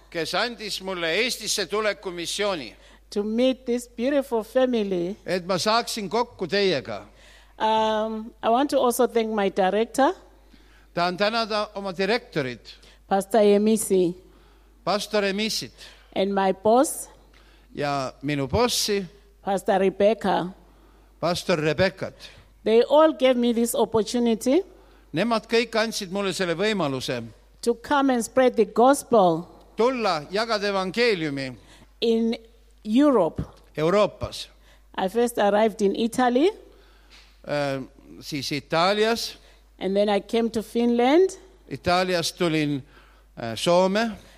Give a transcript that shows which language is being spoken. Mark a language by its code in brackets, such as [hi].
[et] Kes andis mulle Eestisse tuleku missiooni. [en] To meet this beautiful family. [et] Et ma saaksin kokku teiega. [en] I want to also thank my director. [et] Tahan tänada oma direktorit. [en] Pastor Emisi. [et] Pastor Emisit. [en] And my boss. [et] Ja minu bossi. [en] Pastor Rebecca. [et] Pastor Rebeccat. [en] They all gave me this opportunity. [et] Nemad kõik andsid mulle selle võimaluse. [en] To come and spread the gospel. [et] Tulla jagada evangeeliumi. [en] In Europe. [et] Euroopas. [en] I first arrived in Italy. [et] Siis Italias. [en] And then I came to Finland. [et] Italias tulin Soome.